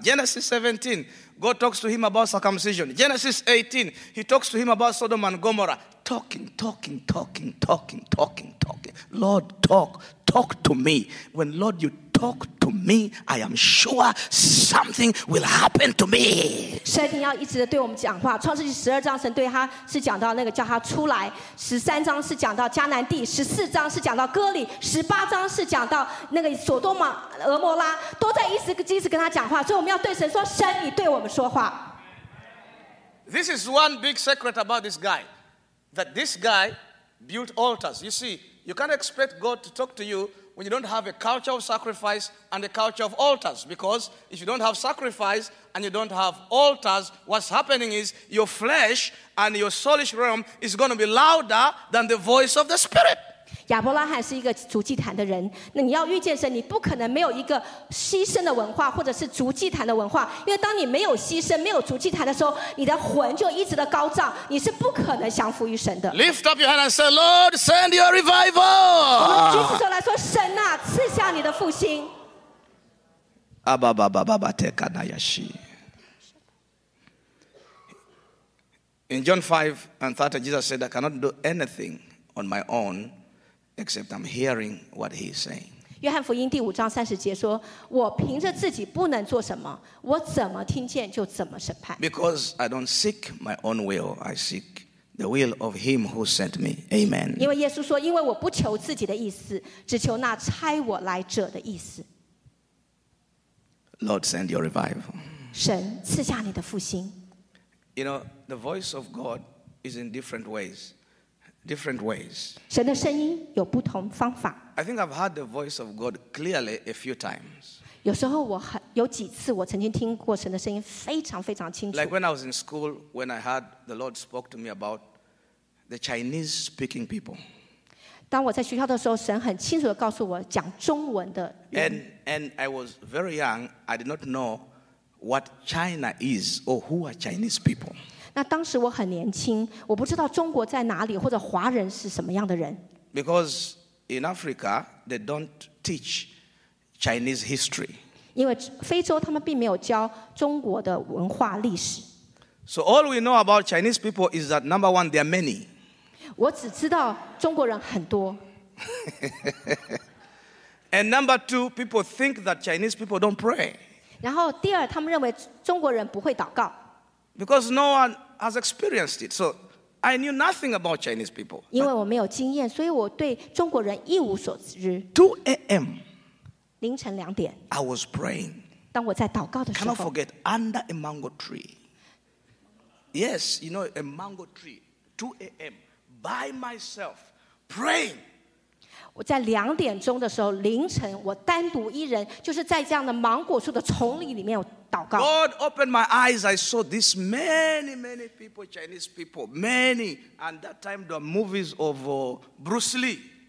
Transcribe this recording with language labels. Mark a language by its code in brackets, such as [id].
[en] Genesis 17, God talks to him about circumcision. Genesis 18, he talks to him about Sodom and Gomorrah. Talking, talking, talking, talking, talking, talking. Lord, talk, talk to me. When Lord, you talk to me, I am sure something will happen to me. [zh] 神，你要一直的对我们讲话。创世纪十二章，神对他是讲到那个叫他出来；十三章是讲到迦南地；十四章是讲到歌里；十八章是讲到那个索多玛、俄摩拉，都在一直跟他讲话。所以我们要对神说：“神，你对我们说话。” [en] This is one big secret about this guy, that this guy built altars. You see, you can't expect God to talk to you. When you don't have a culture of sacrifice and a culture of altars, because if you don't have sacrifice and you don't have altars, what's happening is your flesh and your soulish realm is going to be louder than the voice of the Spirit. [zh] 亚伯拉罕是一个筑祭坛的人，那你要遇见神，你不可能没有一个牺牲的文化或者是筑祭坛的文化，因为当你没有牺牲、没有筑祭坛的时候，你的魂就一直的高涨，你是不可能降服于神的。 [en] Lift up your hand and say, Lord, send your revival. [zh] 我们举起手来说，神啊，赐下你的复兴。 Abba, Abba, Abba, Teka na Yashi. [en] In John 5:30, Jesus said, I cannot do anything on my own. Except I'm hearing what he's saying. [zh] 约翰福音第五章三十节说，我凭着自己不能做什么，我怎么听见就怎么审判。 [en] Because I don't seek my own will, I seek the will of him who sent me. Amen. [zh] 因为耶稣说，因为我不求自己的意思，只求那差我来者的意思。 [en] Lord, send your revival. [zh] 神，赐下你的复兴。 [en] You know, the voice of God is in different ways. Different ways. [zh] 神的声音有不同方法。 [en] I think I've heard the voice of God clearly a few times. [zh] 有时候我有几次我曾经听过神的声音非常非常清楚。 [en] Like when I was in school, when I heard the Lord spoke to me about the Chinese speaking people. [zh] 当我在学校的时候，神很清楚地告诉我讲中文的 [en] 人。And I was very young. I did not know what China is or who are Chinese people. [zh] 那当时我很年轻，我不知道中国在哪里，或者华人是什么样的人。 [en] Because in Africa they don't teach Chinese history. [zh] 因为非洲他们并没有教中国的文化历史。 [en] So all we know about Chinese people is that number one, there are many. [zh] 我只知道中国人很多。 [en] And number two, people think that Chinese people don't pray. [zh] 然后第二，他们认为中国人不会祷告。 [en] Because no one has experienced it. So I knew nothing about Chinese people. [zh] 因为我没有经验, 所以我对中国人一无所知。 [en] 2 a.m. [zh] 凌晨2点, [en] I was praying. [zh] 当我在祷告的时候, [en] cannot forget, under a mango tree. Yes, you know, a mango tree. 2 a.m. By myself, praying. [zh] 我在2点钟的时候, 凌晨, 我单独一人, 就是在这样的芒果树的丛林里面祷告。 [en] God opened my eyes. I saw this many, many people, Chinese people, many. And that time, the movies of Bruce Lee.